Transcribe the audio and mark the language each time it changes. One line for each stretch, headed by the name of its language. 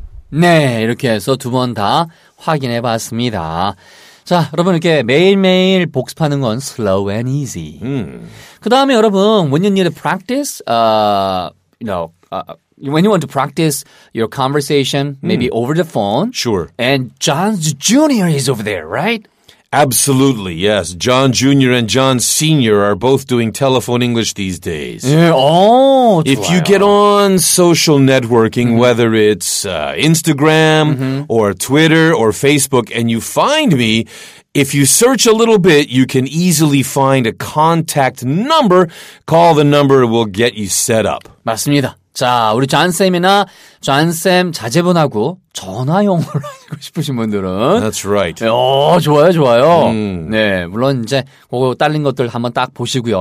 Korean: 네, 이렇게 해서 두 번 다 확인해 봤습니다. 자, 여러분 이렇게 매일매일 복습하는 건
English: slow and easy.
Korean: 그 다음에 여러분,
English: when you need to practice, when you want to practice your conversation, maybe over the phone. Sure. And John Jr. is over there, right? Absolutely, yes. John Jr. and John Sr. are both doing telephone English these days. Yeah. Oh, if
Korean: 좋아요.
English: You get on social networking, whether it's Instagram or Twitter or Facebook, and you find me, if you search a little bit, you can easily find a contact number. Call the number, it will get you set up.
Korean: 맞습니다. 자, 우리 존쌤이나 존쌤 자제분하고 전화용을 하시고 싶으신 분들은
English: That's right.
Korean: 오, 좋아요, 좋아요. 네, 물론 이제 그거 딸린 것들 한번 딱 보시고요.